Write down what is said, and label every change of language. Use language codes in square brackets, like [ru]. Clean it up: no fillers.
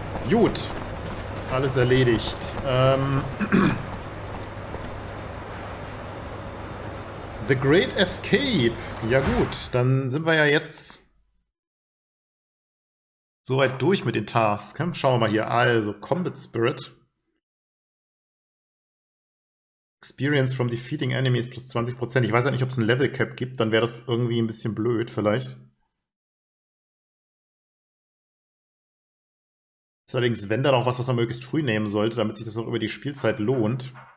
[de] Gut. Alles erledigt. [en] The Great Escape. [de] Ja gut, dann sind wir ja jetzt soweit durch mit den Tasks. Schauen wir mal hier. Also, Combat Spirit. [en] Experience from defeating enemies plus 20%. [de] Ich weiß halt nicht, ob es ein Level Cap gibt. Dann wäre das irgendwie ein bisschen blöd, vielleicht. Ist allerdings, wenn, dann auch was, was man möglichst früh nehmen sollte, damit sich das auch über die Spielzeit lohnt.